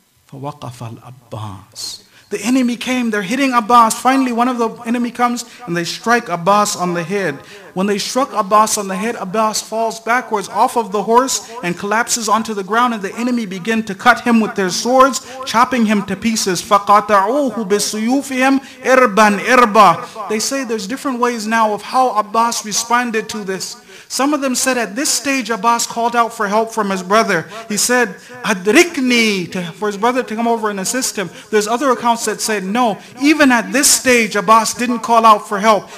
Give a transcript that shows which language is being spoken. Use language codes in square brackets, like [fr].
[ar] فَوَقَفَ الْأَبَّاسِ. [en] The enemy came, they're hitting Abbas. Finally, one of the enemy comes and they strike Abbas on the head. When they struck Abbas on the head, Abbas falls backwards off of the horse and collapses onto the ground, and the enemy begin to cut him with their swords, chopping him to pieces. [ar] فَقَطَعُوهُ بِسُيُوفِهِمْ إِرْبًا إِرْبًا. [en] They say there's different ways now of how Abbas responded to this. Some of them said at this stage, Abbas called out for help from his brother. He said, Adrikni, for his brother to come over and assist him. There's other accounts that said, no, even at this stage, Abbas didn't call out for help.